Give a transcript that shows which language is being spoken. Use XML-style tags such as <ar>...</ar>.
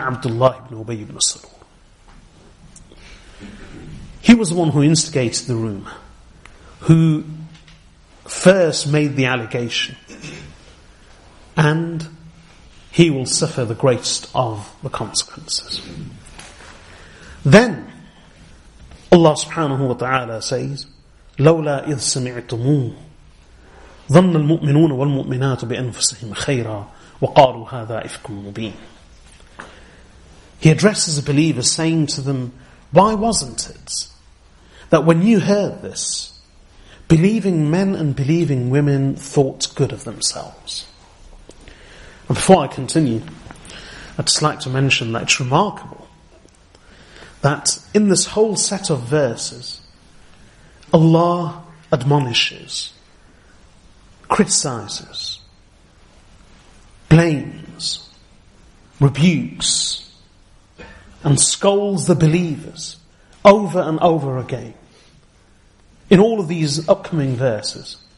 <en>Abdullah ibn Ubay ibn Salul. He was the one who instigated the rumor, who first made the allegation, and he will suffer the greatest of the consequences. Then Allah subhanahu wa ta'ala says,</en> <ar>لولا إذ سمعتموه ظن المؤمنون والمؤمنات بأنفسهم خيرا وقالوا هذا إفك مبين.</ar> <en>He addresses the believers saying to them, why wasn't it that when you heard this, believing men and believing women thought good of themselves? And before I continue, I'd just like to mention that it's remarkable that in this whole set of verses, Allah admonishes, criticizes, blames, rebukes, and scolds the believers over and over again in all of these upcoming verses.</en>